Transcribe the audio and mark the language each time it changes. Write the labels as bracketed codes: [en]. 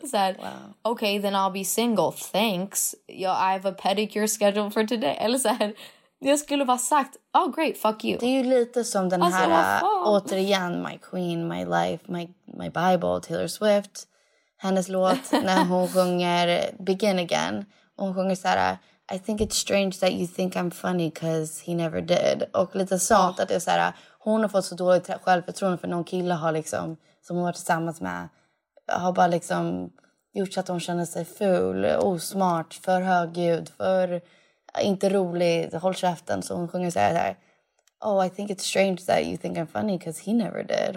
[en] Wow. Okay, then I'll be single, thanks. Yeah, I have a pedicure scheduled for today. [sv] Eller så här, jag skulle bara sagt, [en] oh great, fuck you. [sv] Det är ju lite som den alltså, här, återigen, [en] my queen, my life, my bible, [sv] Taylor Swift. Hennes låt när hon sjunger Begin Again. Och hon sjunger så här, [en] I think it's strange that you think I'm funny because he never did. [sv] Och lite sånt, att det är så här, hon har fått så dåligt självförtroende för någon kille har liksom, som hon har varit tillsammans med, har bara liksom gjort så att hon känner sig ful, osmart, för högljudd, för inte rolig, håll käften. Så hon sjunger så här, [en] oh, I think it's strange that you think I'm funny because he never did.